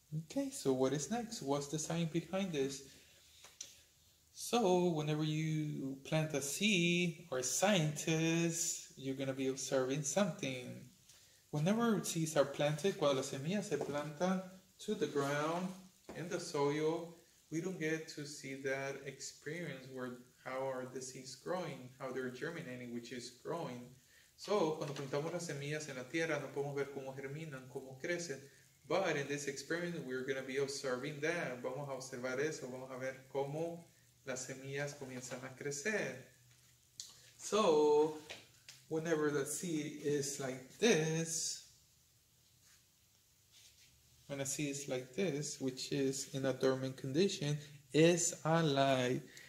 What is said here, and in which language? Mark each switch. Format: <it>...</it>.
<en>Okay, so what is next? What's the sign behind this? So, whenever you plant a seed or a scientist, you're going to be observing something. Whenever seeds are planted,</en> <es>cuando las semillas se plantan</es> <en>to the ground, in the soil, we don't get to see that experience where how are the seeds growing, how they're germinating, which is growing.</en> <es>So, cuando plantamos las semillas en la tierra, no podemos ver cómo germinan, cómo crecen.</es> <en>But in this experiment, we're going to be observing that.</en> <es>Vamos a observar eso. Vamos a ver cómo las semillas comienzan a crecer.</es> <en>So, whenever the seed is like this, when a seed is like this, which is in a dormant condition, is alive.</en>